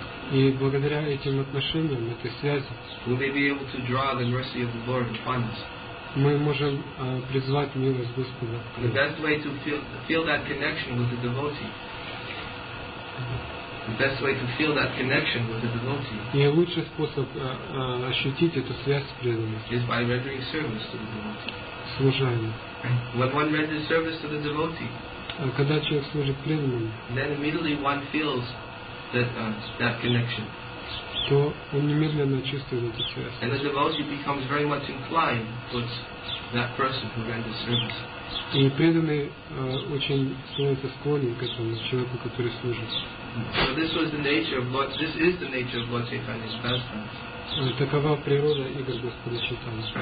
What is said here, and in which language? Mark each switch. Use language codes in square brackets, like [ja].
[ru] И благодаря этим отношениям, этой связи, [en] we may be able to draw the mercy of the Lord upon us. [ru] Мы можем призвать милость Господа. [en] The best way to feel that connection with the devotee. The best way to feel that connection with the devotee. [ru] И лучший способ ощутить эту связь с преданным. [en] Is by rendering service to the devotee. [ru] Служение. [en] When one renders service to the devotee. [ru] Когда человек служит преданному. [en] Then immediately one feels that connection. [ru] То он немедленно чувствует эту связь. [en] And the devotee becomes very much inclined towards that person who renders service. [ru] И преданный очень становится склонен к этому человеку, который служит. [en] So this is the nature of Lord Chaitanya's pastime. [ru] Такова природа игр Господа Чайтаньи.